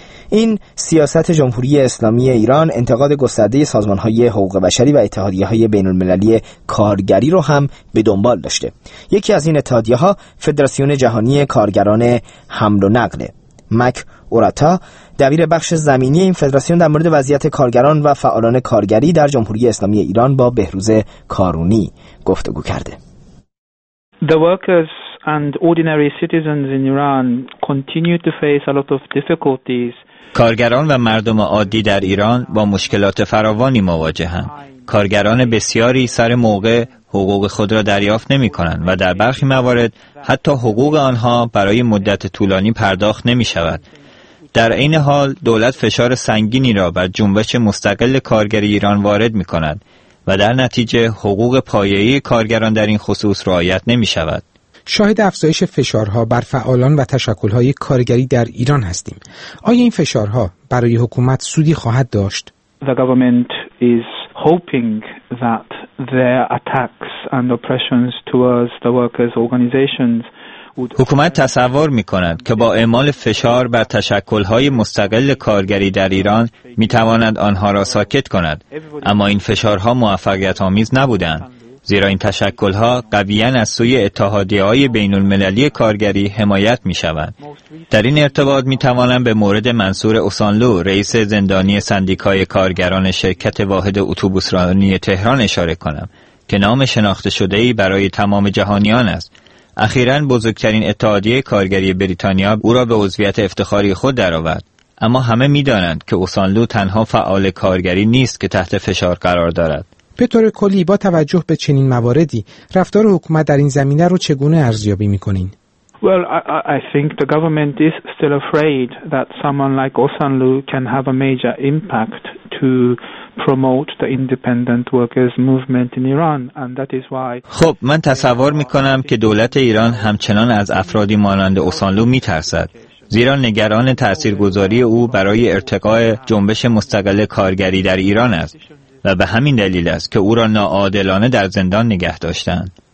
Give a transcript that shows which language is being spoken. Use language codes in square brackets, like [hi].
[fa] این سیاست جمهوری اسلامی ایران انتقاد گسترده سازمان‌های حقوق بشری و اتحادیه‌های بین‌المللی کارگری را هم به دنبال داشته. یکی از این اتحادیه‌ها فدراسیون جهانی کارگران حمل و نقل، مک اوراتا، دبیر بخش زمینی این فدراسیون در مورد وضعیت کارگران و فعالان کارگری در جمهوری اسلامی ایران با بهروز کارونی گفتگو کرده. [en] The workers and ordinary citizens in Iran continue to face a lot of difficulties. [fa] کارگران و مردم عادی در ایران با مشکلات فراوانی مواجهند. کارگران بسیاری سر موقع حقوق خود را دریافت نمی کنند و در برخی موارد حتی حقوق آنها برای مدت طولانی پرداخت نمی شود. در این حال دولت فشار سنگینی را بر جنبش مستقل کارگری ایران وارد می کند و در نتیجه حقوق پایه‌ای کارگران در این خصوص رعایت نمی شود. شاهد افزایش فشارها بر فعالان و تشکل‌های کارگری در ایران هستیم. آیا این فشارها برای حکومت سودی خواهد داشت؟ [en] The government is hoping that their attacks and oppressions towards the workers' organizations would... [fa] حکومت تصور می‌کند که با اعمال فشار بر تشکل‌های مستقل کارگری در ایران می‌تواند آنها را ساکت کند، اما این فشارها موفقیت‌آمیز نبودند، زیرا این تشکل‌ها قویاً از سوی اتحادیه‌های بین‌المللی کارگری حمایت می‌شوند. در این ارتباط می‌توانم به مورد منصور اوسانلو، رئیس زندانی سندیکای کارگران شرکت واحد اتوبوسرانی تهران اشاره کنم که نام شناخته شده‌ای برای تمام جهانیان است. اخیراً بزرگترین اتحادیه کارگری بریتانیا او را به عضویت افتخاری خود درآورد، اما همه می‌دانند که اوسانلو تنها فعال کارگری نیست که تحت فشار قرار دارد. به طور کلی با توجه به چنین مواردی رفتار حکومت در این زمینه رو چگونه ارزیابی میکنین؟ [en] Well, I think the government is still afraid that someone like Osanlu can have a major impact to promote the independent workers movement in Iran, and that is why. [fa] خب من تصور میکنم که دولت ایران همچنان از افرادی مانند اوسانلو میترسد، زیرا نگران تاثیرگذاری او برای ارتقاء جنبش مستقل کارگری در ایران است و به همین دلیل است که او را ناعادلانه در زندان نگه داشتند.